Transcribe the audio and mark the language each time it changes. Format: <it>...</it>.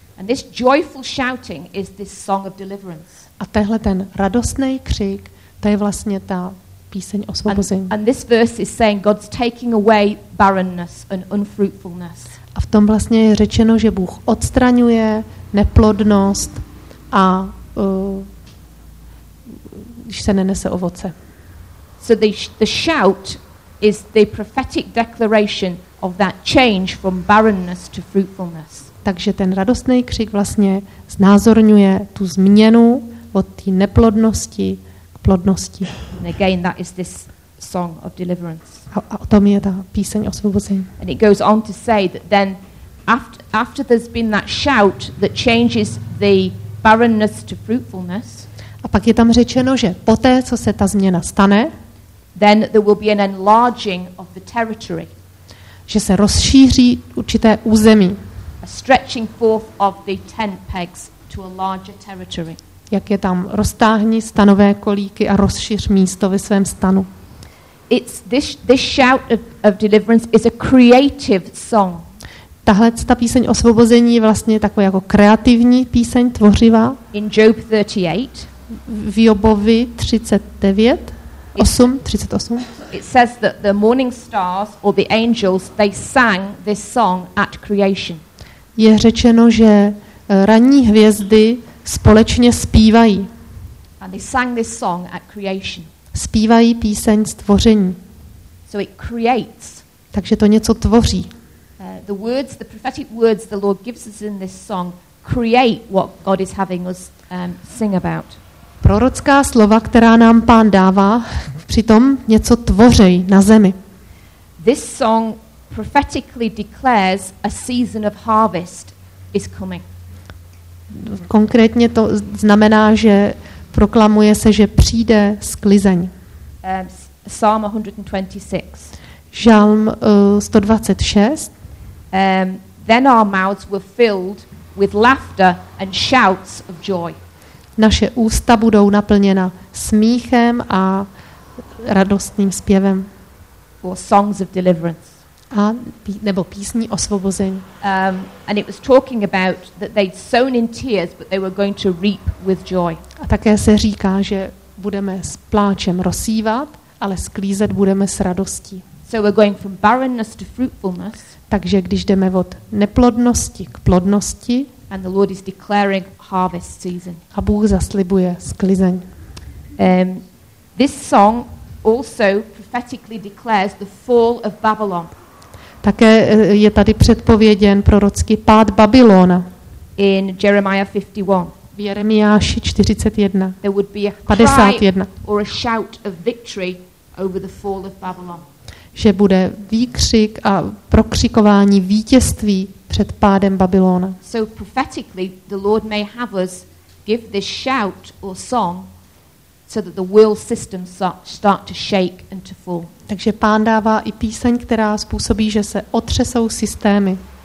<en>And this joyful shouting is this song of deliverance.</en> <cs>A tehle ten radostný křik, to je vlastně ta píseň osvobození.</cs> <en>And this verse is saying God's taking away barrenness and unfruitfulness.</en> <cs>A v tom vlastně je řečeno, že Bůh odstraňuje neplodnost a když se nenese ovoce.</cs> <en>So the shout is the prophetic declaration of that change from barrenness to fruitfulness.</en> <cs>Takže ten radostný křik vlastně znázorňuje tu změnu od té neplodnosti k plodnosti.</cs> <en>And again, that is this song of deliverance.</en> <cs>A o tom je ta píseň osvobození.</cs> <en>And it goes on to say that then after there's been that shout that changes the barrenness to fruitfulness.</en> <cs>A pak je tam řečeno, že poté, co se ta změna stane,</cs> <en>then there will be an enlarging of the territory.</en> <cs>Že se rozšíří určité území.</cs> <en>A stretching forth of the tent pegs to a larger territory.</en> <cs>Jak je tam roztáhni stanové kolíky a rozšíř místo ve svém stanu.</cs> <en>It's this shout of deliverance is a creative song.</en> <cs>Tahle ta píseň osvobození je vlastně taková jako kreativní píseň, tvořivá.</cs> <en>In Job 38.</en> <cs>V Jobovi 39. 8, 38.</cs> <en>It says that the morning stars or the angels, they sang this song at creation.</en> <cs>Je řečeno, že ranní hvězdy společně zpívají.</cs> <en>And they sang this song at creation.</en> <cs>Zpívají píseň stvoření.</cs> <en>So it creates.</en> <cs>Takže to něco tvoří.</cs> <en>The words, the prophetic words the Lord gives us in this song create what God is having us sing about.</en> <cs>Prorocká slova, která nám Pán dává, přitom něco tvořej na zemi.</cs> <en>This song prophetically declares a season of harvest is coming.</en> <cs>Konkrétně to znamená, že proklamuje se, že přijde sklizeň.</cs> <en>Psalm 126.</en> <cs>Žalm 126.</cs> <en>Then our mouths were filled with laughter and shouts of joy.</en> <cs>Naše ústa budou naplněna smíchem a radostným zpěvem.</cs> <en>Or songs of deliverance.</en> <cs>A nebo písní osvobození.</cs> <en>And it was talking about that they'd sown in tears, but they were going to reap with joy.</en> <cs>A také se říká, že budeme s pláčem rozsívat, ale sklízet budeme s radostí.</cs> <en>So we're going from barrenness to fruitfulness.</en> <cs>Takže když jdeme od neplodnosti k plodnosti.</cs> <en>And the Lord is declaring harvest season.</en> <cs>A Bůh zaslibuje sklizeň.</cs> <en>This song also prophetically declares the fall of Babylon.</en> <cs>Také je tady předpověděn prorocký pád Babylona.</cs> <en>In Jeremiah 51.</en> <cs>V Jeremiáši 41.</cs> <en>There would be a 51. Cry or a shout of victory over the fall of Babylon.</en> <cs>Že bude výkřik a prokřikování vítězství před pádem Babylona.</cs> <en>So prophetically the Lord may have us give this shout or song so that the world system start to shake and to fall.</en> <cs>Takže Pán dává i píseň, která způsobí, že se otřesou systémy.</cs>